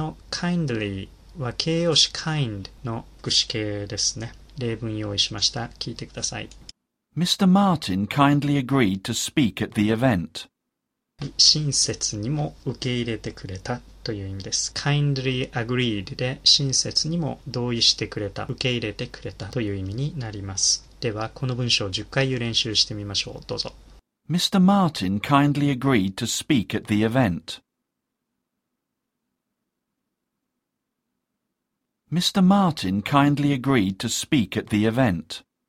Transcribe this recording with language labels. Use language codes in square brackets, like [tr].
[ja] Kindly は形容詞 kind の副詞形ですね。例文用意しました。聞いてください。 [en] Mr. Martin kindly agreed to speak at the event. [ja] 親切にも受け入れてくれたという意味です。 [en] Kindly agreed [ja] で親切にも同意してくれた、受け入れてくれたという意味になります。ではこの文章を10回練習してみましょう。どうぞ。 [en] Mr. Martin kindly agreed to speak at the event. Mr. Martin kindly agreed to speak at the event.